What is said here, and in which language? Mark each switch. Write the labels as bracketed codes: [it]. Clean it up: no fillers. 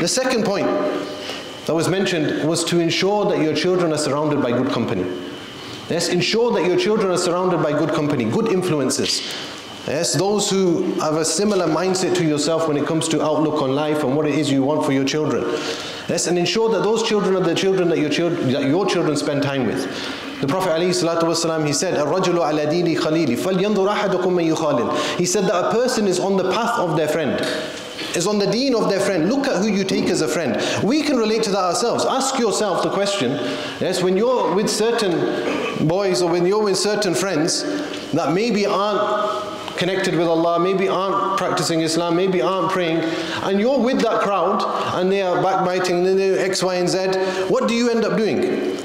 [en] The second point that was mentioned was to ensure that your children are surrounded by good company. Yes, ensure that your children are surrounded by good company, good influences. Yes, those who have a similar mindset to yourself when it comes to outlook on life and what it is you want for your children. Yes, and ensure that those children are the children that your children spend time with. The Prophet [ar] عليه الصلاة والسلام, [en] he said, [ar] "الرجلُ على ديني خليلي فلينظر أحدكم من يخالل." [en] He said that a person is on the path of their friend, is on the deen of their friend. Look at who you take as a friend. We can relate to that ourselves. Ask yourself the question, yes, when you're with certain boys or when you're with certain friends that maybe aren't connected with Allah, maybe aren't practicing Islam, maybe aren't praying, and you're with that crowd and they are backbiting, then they're X, Y, and Z, what do you end up doing?